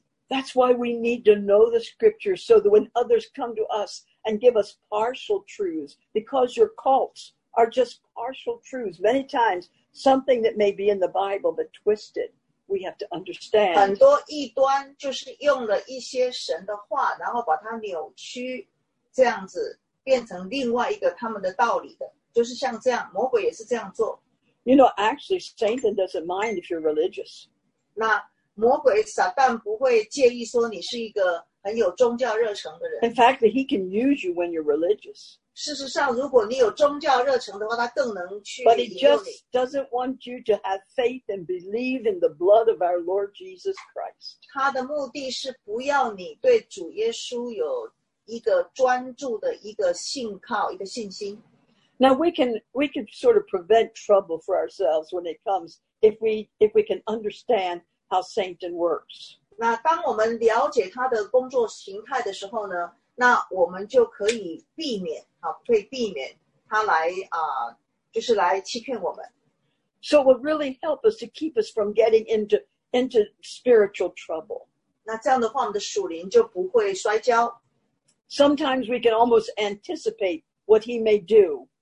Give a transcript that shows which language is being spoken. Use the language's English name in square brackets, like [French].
[English] That's why we need to know the scriptures so that when others come to us and give us partial truths, because your cults are just partial truths. Many times, something that may be in the Bible but twisted, we have to understand. [Chinese] 很多异端就是用了一些神的话，然后把它扭曲，这样子变成另外一个他们的道理的，就是像这样，魔鬼也是这样做。 [English] You know, actually, Satan doesn't mind if you're religious. [Chinese] 那魔鬼撒旦不会介意说你是一个很有宗教热忱的人。 [English] In fact, he can use you when you're religious. [Chinese] 事实上，如果你有宗教热忱的话，他更能去引诱你。 [English] But he just doesn't want you to have faith and believe in the blood of our Lord Jesus Christ. [Chinese] 他的目的是不要你对主耶稣有一个专注的一个信靠，一个信心。 [English] Now we can sort of prevent trouble for ourselves when it comes if we can understand how Satan works. [Chinese] 那当我们了解他的工作形态的时候呢，那我们就可以避免啊，可以避免他来就是来欺骗我们。 [English] So it would really help us to keep us from getting into spiritual trouble. [Chinese] 那这样的话，我们的属灵就不会摔跤。 [English] Sometimes we can almost anticipate what he may do.